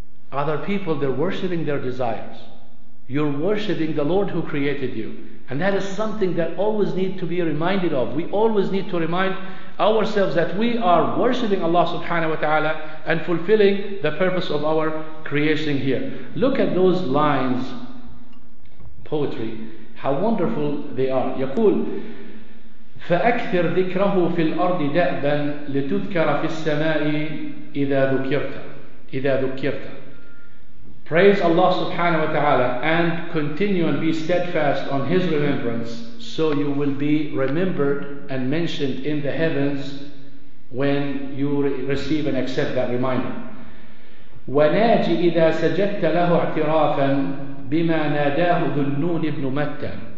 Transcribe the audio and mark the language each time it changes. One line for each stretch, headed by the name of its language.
English: Other people, they're worshipping their desires. You're worshipping the Lord who created you. And that is something that always need to be reminded of. We always need to remind ourselves that we are worshipping Allah subhanahu wa ta'ala and fulfilling the purpose of our creation here. Look at those lines, poetry, how wonderful they are.
Arabic: يقول فأكثر ذكره في الأرض دأبا لتذكر في السماء إذا ذكرت إذا ذكرت.
English: Praise Allah subhanahu wa ta'ala and continue and be steadfast on His remembrance, so you will be remembered and mentioned in the heavens when you receive and accept that reminder.
Arabic: وَنَاجِ إِذَا سَجَدْتَ لَهُ اعْتِرَافًا بِمَا نَادَاهُ ذُو النُّونِ ابْنُ مَتَّى.